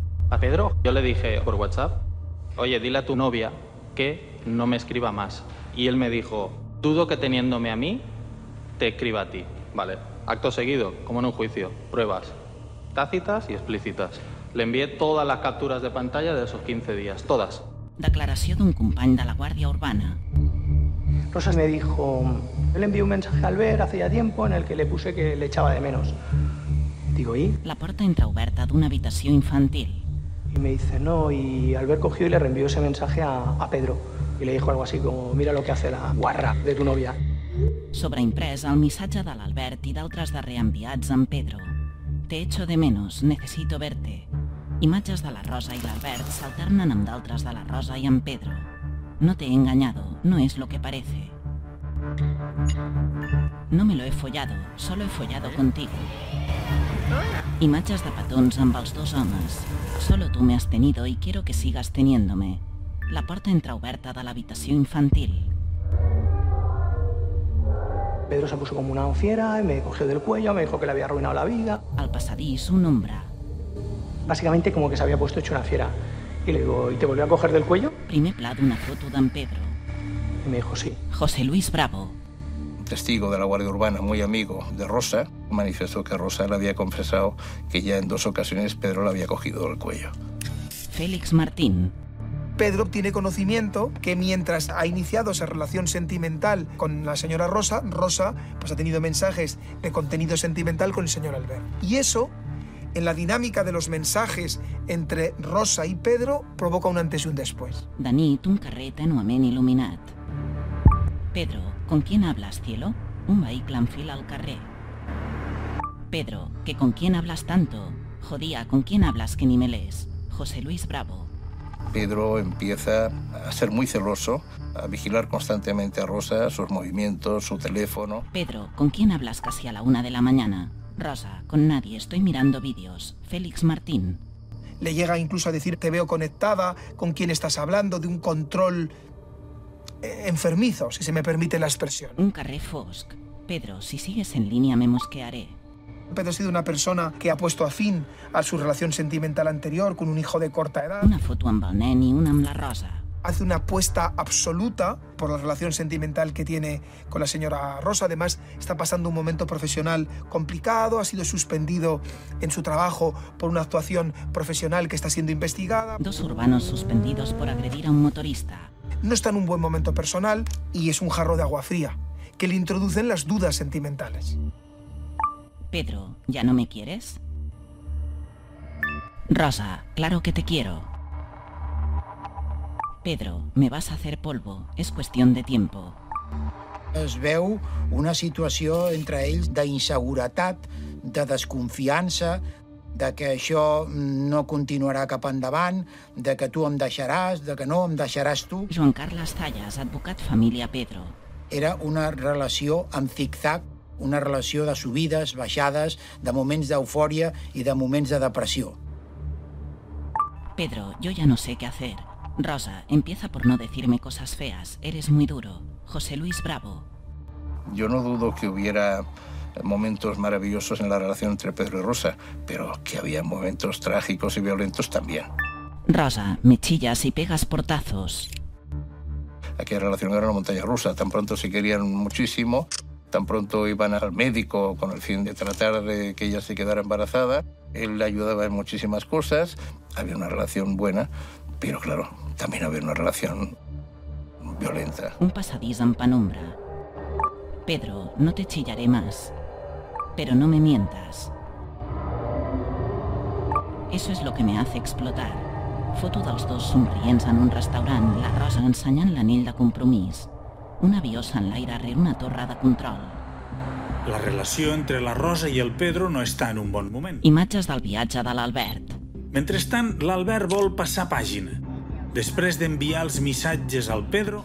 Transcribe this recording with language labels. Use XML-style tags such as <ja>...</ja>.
<es>A Pedro, yo le dije por WhatsApp, oye, dile a tu novia que no me escriba más. Y él me dijo, dudo que teniéndome a mí, te escriba a ti. Vale, acto seguido, como en un juicio, pruebas tácitas y explícitas. Le envié todas las capturas de pantalla de esos 15 días, todas.</es> <ca>Declaració d'un company de la Guàrdia Urbana.</ca> <es>Rosa me dijo, yo le envié un mensaje a Albert hace ya tiempo en el que le puse que le echaba de menos. Digo, ¿y?</es> <ca>La porta entreoberta d'una habitació infantil.</ca> <es>Y me dice, no, y Albert cogió y le reenvió ese mensaje a Pedro. Y le dijo algo así como, mira lo que hace la guarra de tu novia.</es> <ca>Sobreimprès el missatge de l'Albert i d'altres de reenviats amb Pedro.</ca> <es>Te echo de menos, necesito verte.</es> <ca>Imatges de la Rosa i l'Albert s'alternen amb d'altres de la Rosa i en Pedro.</ca> <es>No te he engañado, no es lo que parece. No me lo he follado, solo he follado contigo.</es> <ca>Imatges de petons amb els dos homes.</ca> <es>Solo tú me has tenido y quiero que sigas teniéndome.</es> <ca>La porta entreoberta de l'habitació infantil.</ca> <es>Pedro se puso como una fiera, me cogió del cuello, me dijo que le había arruinado la vida.</es> <ca>Al passadís, un hombre.</ca> <es>Básicamente como que se había puesto hecho una fiera. Y le digo, ¿y te volvió a coger del cuello?</es> <ca>Primer pla d'una foto d'en Pedro.</ca> <es>Y me dijo, sí. José Luis Bravo. Testigo de la Guardia Urbana, muy amigo de Rosa, manifestó que Rosa le había confesado que ya en dos ocasiones Pedro le había cogido del cuello. Félix Martín. Pedro tiene conocimiento que mientras ha iniciado esa relación sentimental con la señora Rosa, Rosa pues ha tenido mensajes de contenido sentimental con el señor Albert. Y eso, en la dinámica de los mensajes entre Rosa y Pedro, provoca un antes y un después.</es> <ca>De nit, un carrer tenuament il·luminat.</ca> <es>Pedro, ¿con quién hablas, cielo?</es> <ca>Un vehicle enfila al carrer.</ca> <es>Pedro, ¿que con quién hablas tanto? Jodía, ¿con quién hablas que ni me lees? José Luis Bravo. Pedro empieza a ser muy celoso, a vigilar constantemente a Rosa, sus movimientos, su teléfono. Pedro, ¿con quién hablas casi a la una de la mañana? Rosa, con nadie, estoy mirando vídeos. Félix Martín. Le llega incluso a decir, te veo conectada, ¿con quién estás hablando? De un control enfermizo, si se me permite la expresión.</es> <ca>Un carrer fosc.</ca> <es>Pedro, si sigues en línea me mosquearé. Pedro ha sido una persona que ha puesto fin a su relación sentimental anterior con un hijo de corta edad.</es> <ca>Una foto amb el nen i una amb la Rosa.</ca> <es>Hace una apuesta absoluta por la relación sentimental que tiene con la señora Rosa. Además, está pasando un momento profesional complicado. Ha sido suspendido en su trabajo por una actuación profesional que está siendo investigada. Dos urbanos suspendidos por agredir a un motorista. No está en un buen momento personal y es un jarro de agua fría que le introducen las dudas sentimentales. Pedro, ¿ya no me quieres? Rosa, claro que te quiero. Pedro, me vas a hacer polvo. Es cuestión de tiempo.</es> <ca>Es veu una situació entre ells d'inseguretat, de desconfiança, de que això no continuarà cap endavant, de que tu em deixaràs, de que no em deixaràs tu. Joan Carles Zayas, advocat família Pedro. Era una relació amb zig-zag, una relació de subides, baixades, de moments d'eufòria i de moments de depressió. Pedro, jo ja no sé què fer.</ca> <es>Rosa, empieza por no decirme cosas feas. Eres muy duro. José Luis Bravo. Yo no dudo que hubiera momentos maravillosos en la relación entre Pedro y Rosa, pero que había momentos trágicos y violentos también. Rosa, me chillas y pegas portazos. Aquella relación era una montaña rusa. Tan pronto se querían muchísimo, tan pronto iban al médico con el fin de tratar de que ella se quedara embarazada. Él le ayudaba en muchísimas cosas. Había una relación buena. Pero claro, también había una relación violenta. Un passadís en penumbra. Pedro, no te chillaré más, pero no me mientas. Eso es lo que me hace explotar.</es> <ca>Foto dels dos somrients en un restaurant, la Rosa ensenyant l'anell de compromís. Un avió s'enlaira rere una torre de control. La relació entre la Rosa i el Pedro no està en un bon moment. Imatges del viatge de l'Albert. Mentrestant, l'Albert vol passar pàgina. després d'enviar els missatges al Pedro,</ca>